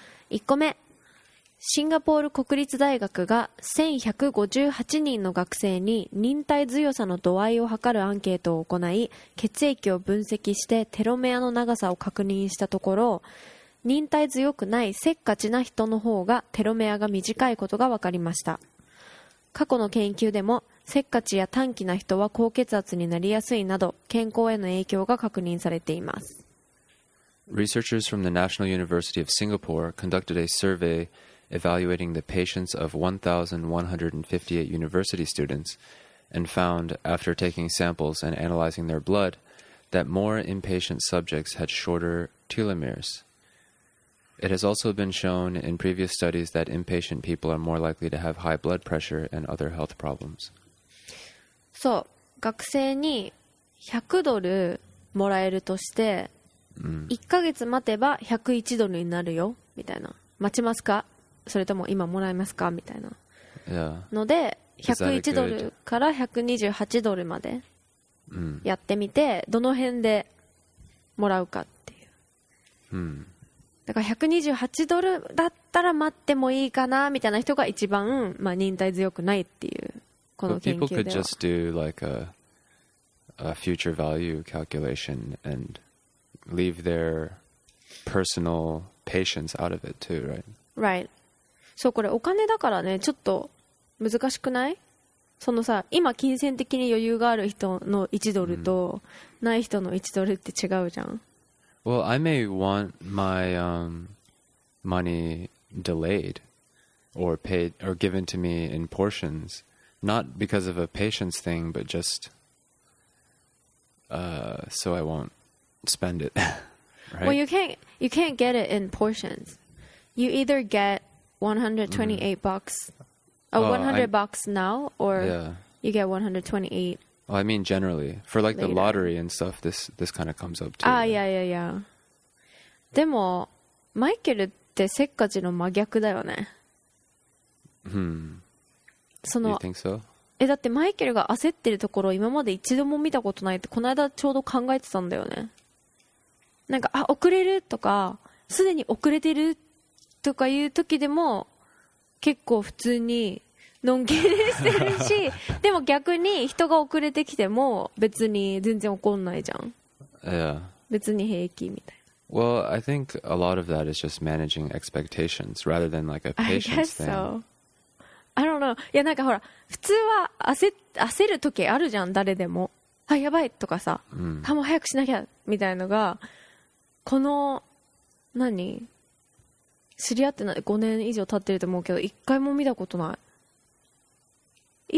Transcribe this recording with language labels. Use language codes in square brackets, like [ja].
[ja] 1個目、シンガポール国立大学が1158人の学生に忍耐強さの度合いを測るアンケートを行い、血液を分析してテロメアの長さを確認したところ、忍耐強くないせっかちな人の方がテロメアが短いことが分かりました。過去の研究でもせっかちや短気な人は高血圧になりやすいなど、健康への影響が確認されています。 [en] Researchers from the National University of Singapore conducted a surveyevaluating the patience of 1,158 university students and found, after taking samples and analyzing their blood, that more impatient subjects had shorter telomeres. It has also been shown in previous studies that impatient people are more likely to have high blood pressure and other health problems. [ja] そう、学生に100ドルもらえるとして、1ヶ月待てば101ドルになるよ、みたいな。待ちますか? それとも今もらえますかみたいな、 [en] yeah. [ja] ので101ドルから128ドルまでやってみて、どの辺でもらうかっていう、だから128ドルだったら待ってもいいかなみたいな人が一番、まあ、忍耐強くないっていう、この研究では。 [en] But people could just do like a future value calculation and leave their personal patience out of it too, right? Right. [ja] そう、これお金だからね、ちょっと難しくない? そのさ、今金銭的に余裕がある人の1ドルとない人の1ドルって違うじゃん。 [en] Well, I may want my money delayed or paid or given to me in portions, not because of a patience thing, but just so I won't spend it. Right? Well, you can't get it in portions. You either get $128 bucks now, or you get 128. Well, I mean generally for like the lottery and stuff, this kind of comes up too. Yeah. [ja] でもマイケルってせっかちの真逆だよね。 [en] その You think so? [ja] え、だってマイケルが焦ってるところ今まで一度も見たことないって、この間ちょうど考えてたんだよね。なんか、あ、遅れるとか、すでに遅れてるとかいう時でも結構普通にのんきりしてるし、でも逆に人が遅れてきても別に全然怒んないじゃん。 [en] Yeah. [ja] 別に平気みたいな。 [en] Well, I think a lot of that is just managing expectations rather than like a patience thing. I guess so. I don't know. [ja] いや、なんかほら、普通は焦る時あるじゃん、誰でも。あ、やばいとかさ、あ、もう早くしなきゃみたいなのが、この何? 知り合ってない5年以上経ってると思うけど、一回も見たことない。